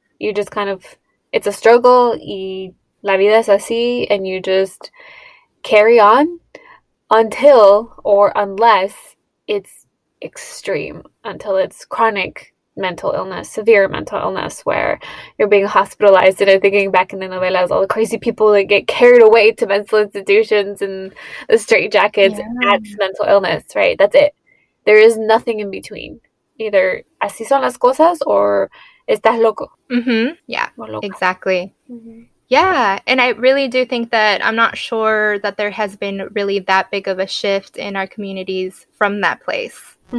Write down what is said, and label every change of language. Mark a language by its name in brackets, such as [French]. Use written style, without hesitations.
[English] You just kind of, it's a struggle, [Spanish] y la vida es así, [English] and you just carry on until or unless it's extreme, until it's chronic. Mental illness, severe mental illness, where you're being hospitalized. And I'm thinking back in the novelas, all the crazy people that get carried away to mental institutions and the straitjackets, that's mental illness, right? That's it. There is nothing in between. [Spanish] Either así son las cosas or estás loco. [English] Yeah, [Spanish] O loca. [English] exactly. Yeah, and I really do think that I'm not sure that there has been really that big of a shift in our communities from that place.